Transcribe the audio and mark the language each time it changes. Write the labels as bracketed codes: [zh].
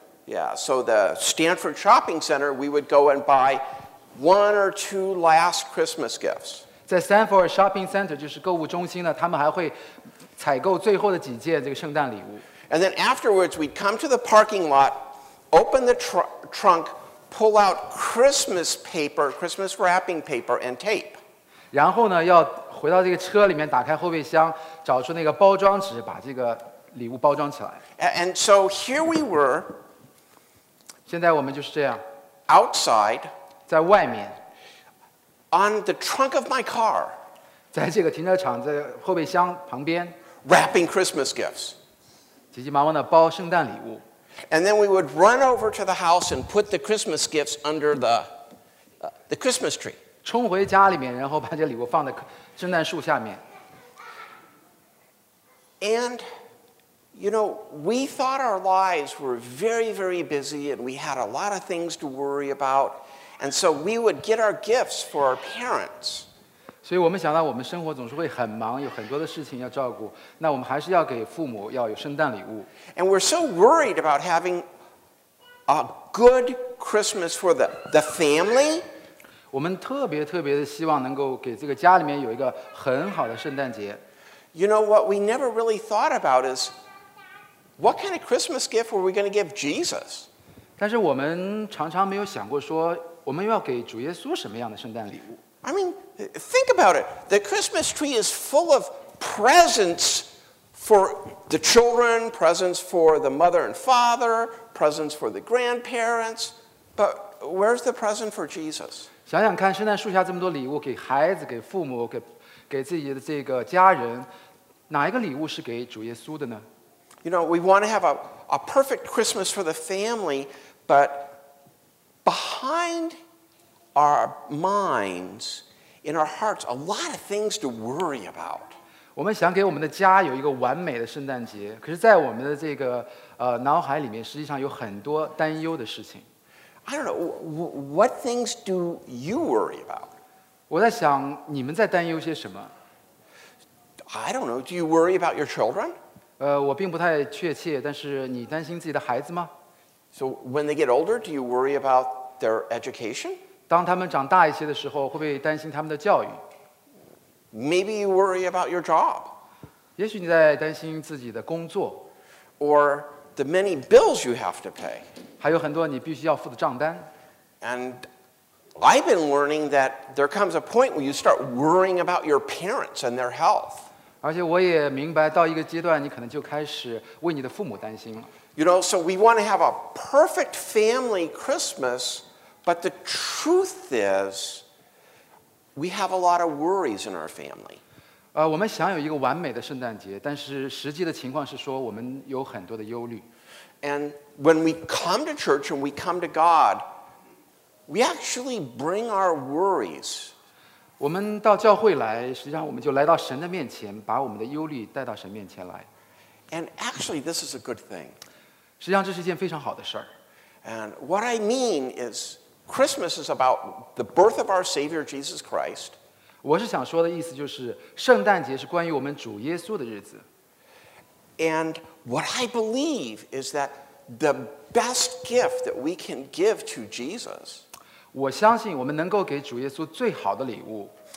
[en] Yeah, so the Stanford Shopping Center, we would go and buy one or two last Christmas gifts. [zh] 在 Stanford Shopping Center, 就是购物中心呢，他们还会采购最后的几件这个圣诞礼物。 [en] And then afterwards, we'd come to the parking lot, open the trunk, pull out Christmas paper, Christmas wrapping paper and tape. [zh] 然后呢，要回到这个车里面，打开后备箱，找出那个包装纸，把这个礼物包装起来。 [en] And so here we were. [zh] 现在我们就是这样。 [en] Outside. [zh] 在外面 [en] on the trunk of my car, [zh] 在这个停车场在后备箱旁边 [en] wrapping Christmas gifts, [zh] 急急忙忙的包圣诞礼物 [en] and then we would run over to the house and put the Christmas gifts under the Christmas tree, [zh] 冲回家里面然后把这礼物放在圣诞树下面 [en] and you know, we thought our lives were very, very busy and we had a lot of things to worry aboutAnd so we would get our gifts for our parents. [zh] 所以我们想到我们生活总是会很忙，有很多的事情要照顾。那我们还是要给父母要有圣诞礼物。 [en] And we're so worried about having a good Christmas for the family. [zh] 我们特别特别的希望能够给这个家里面有一个很好的圣诞节。 [en] You know what we never really thought about is what kind of Christmas gift were we going to give Jesus? [zh] 但是我们常常没有想过说。我们要给主耶稣什么样的圣诞礼物 [en] I mean, think about it. The Christmas tree is full of presents for the children, presents for the mother and father, presents for the grandparents. But where's the present for Jesus? [zh] 想想看，圣诞树下这么多礼物，给孩子，给父母，给自己的这个家人，哪一个礼物是给主耶稣的呢？ [en] You know, we want to have a perfect Christmas for the family, butBehind our minds, in our hearts, a lot of things to worry about. [zh] 我们想给我们的家有一个完美的圣诞节，可是，在我们的这个脑海里面，实际上有很多担忧的事情。 [en] I don't know what things do you worry about. [zh] 我在想，你们在担忧些什么 [en] ？I don't know. Do you worry about your children? [zh] 我并不太确切，但是你担心自己的孩子吗？ [en] So when they get older, do you worry about their education? [zh] 当他们长大一些的时候，会不会担心他们的教育？ [en] Maybe you worry about your job. [zh] 也许你在担心自己的工作。 [en] Or the many bills you have to pay. [zh] 还有很多你必须要付的账单。 [en] And I've been learning that there comes a point where you start worrying about your parents and their health. [zh] 而且我也明白到一个阶段，你可能就开始为你的父母担心了。 [en] You know, so we want to have a perfect family Christmas, but the truth is, we have a lot of worries in our family. [zh] 我们想有一个完美的圣诞节，但是实际的情况是说我们有很多的忧虑。 [en] And when we come to church and we come to God, we actually bring our worries. [zh] 我们到教会来，实际上我们就来到神的面前，把我们的忧虑带到神面前来。 [en] And actually, this is a good thing. [zh] 实际上这是一件非常好的事儿。 [en] And what I mean is, Christmas is about the birth of our Savior Jesus Christ. [zh] 我是想说的意思就是，圣诞节是关于我们主耶稣的日子。 [en] And what I believe is that the best gift that we can give to Jesus. [zh] 我相信我们能够给主耶稣最好的礼物。